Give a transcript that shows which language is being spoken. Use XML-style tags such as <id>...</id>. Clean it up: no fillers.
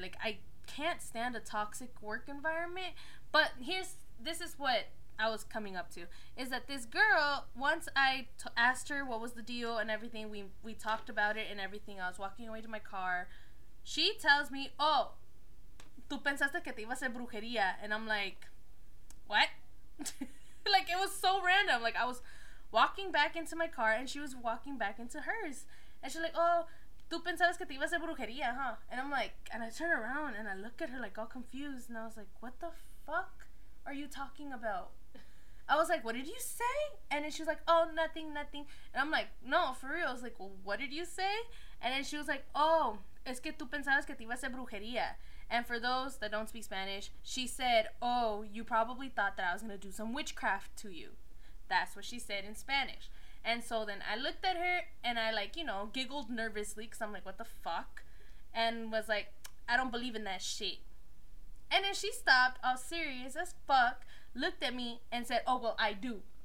<en>Like, I can't stand a toxic work environment. But here's, this is what I was coming up to, is that this girl, once I asked her what was the deal and everything, we talked about it and everything, I was walking away to my car, she tells me, oh,</en> <es>tú pensaste que te iba a hacer brujería.</es> <en>And I'm like, what? Like, it was so random. Like, I was walking back into my car, and she was walking back into hers. And she's like,</en> <es>oh, tú pensabas que te ibas a hacer brujería, huh?</es> <en>And I'm like, and I turn around, and I look at her, like, all confused. And I was like, what the fuck are you talking about? I was like, what did you say? And then she was like, oh, nothing, nothing. And I'm like, no, for real. I was like, well, what did you say? And then she was like, oh,</en> <es>es que tú pensabas que te ibas a hacer brujería.</es> <en>And for those that don't speak Spanish, she said, oh, you probably thought that I was going to do some witchcraft to you. That's what she said in Spanish. And so then I looked at her and I, like, you know, giggled nervously because I'm like, what the fuck? And was like, I don't believe in that shit. And then she stopped, all serious as fuck, looked at me and said, oh, well, I do.</en>